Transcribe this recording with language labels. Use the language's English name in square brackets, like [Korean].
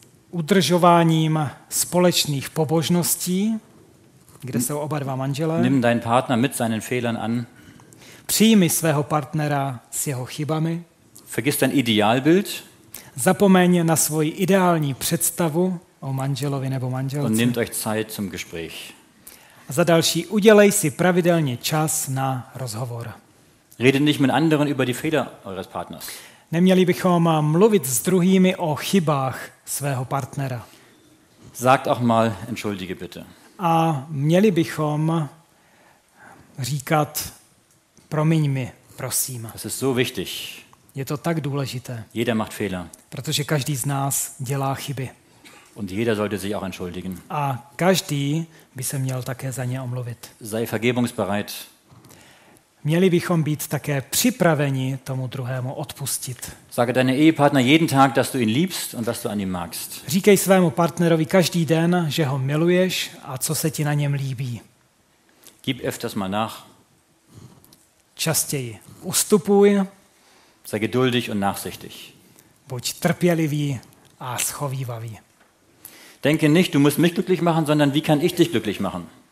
[Czech] Udržováním společných pobožností, kde jsou oba dva manželé. [German] Nimm deinen Partner mit seinen Fehlern an. [Czech] Přijmi svého partnera s jeho chybami. [German] Vergiss dein Idealbild. [Czech] Zapomeň na svoji ideální představu o manželovi nebo manželce. [German] Und nehmt euch Zeit zum Gespräch. [Czech] A za další, udělej si pravidelně čas na rozhovor. [German] Rede nicht mit anderen über die Fehler eures Partners. [Czech] Neměli bychom mluvit s druhými o chybách svého partnera. [German] Sagt auch mal entschuldige bitte. [Czech] A měli bychom říkat promiň mi, prosím. [German] Das ist so wichtig. [Czech] Je to tak důležité. [German] Jeder macht Fehler. [Czech] Protože každý z nás dělá chyby. [German] Und jeder sollte sich auch entschuldigen. [Czech] A každý by se měl také za ně omluvit. [German] Sei vergebungsbereit. [Czech] Měli bychom být také připraveni tomu druhému odpustit. [German] Sage deinem Ehepartner jeden Tag, dass du ihn liebst und dass du an ihm magst. [Czech] Říkej svému partnerovi každý den, že ho miluješ a co se ti na něm líbí. [German] Gib öfters mal nach. [Czech] Častěji ustupuj. [German] Sei geduldig und nachsichtig. [Czech] Buď trpělivý a schovývavý. [German] Denke nicht, du musst mich glücklich machen, sondern wie kann ich dich glücklich machen?